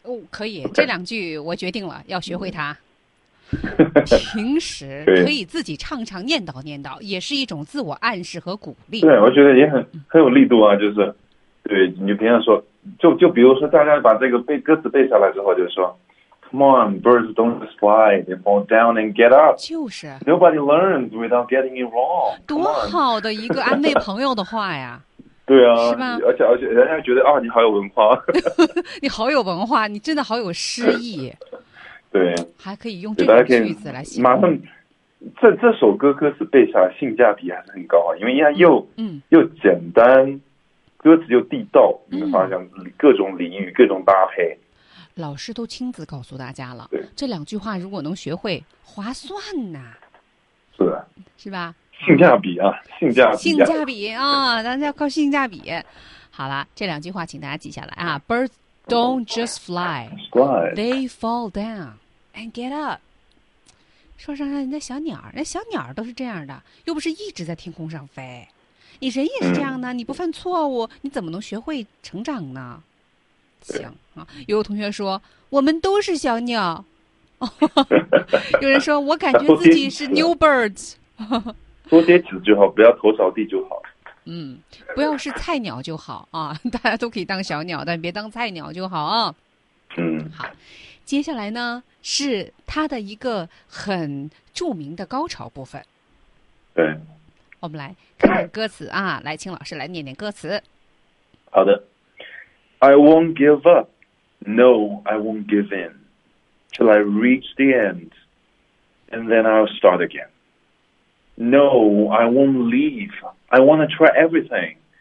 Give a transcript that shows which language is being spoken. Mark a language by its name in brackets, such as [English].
[Chinese] 可以，这两句我决定了，要学会它。平时可以自己唱唱念叨念叨，也是一种自我暗示和鼓励。对，我觉得也很有力度啊，就是对你平常说，就比如说大家把这个歌词背下来之后，就说 [English] Come on, birds don't fly, they fall down and get up. [Chinese] 就是 [English] Nobody learns without getting it wrong. [Chinese] 多好的一个安慰朋友的话呀。对啊，是吧？而且人家觉得啊，你好有文化。你好有文化，你真的好有诗意。对，还可以用这个句子来形容。这首歌歌词背下来性价比还是很高啊，因为它又简单，歌词又地道，你会发现各种俚语，各种搭配。老师都亲自告诉大家了，对，这两句话如果能学会，划算呐。是的，是吧？性价比啊，性价比、啊，性价比啊，咱要靠性价比。好了，这两句话请大家记下来啊 ，Birds。 [English] Don't just fly, they fall down and get up. [Chinese] 说上来，那小鸟，那小鸟都是这样的，又不是一直在天空上飞。你人也是这样的，你不犯错误，你怎么能学会成长呢？行啊，有同学说我们都是小鸟，有人说我感觉自己是 new birds。多些纸就好，不要头朝地就好。嗯，不要是菜鸟就好啊，大家都可以当小鸟，但别当菜鸟就好啊。嗯，好，接下来呢是他的一个很著名的高潮部分。对，我们来看看歌词啊，来请老师来念念歌词。 [English] 好的。I won't give up. No, I won't give in till I reach the end and then I'll start again. No, I won't leaveI want to try everything.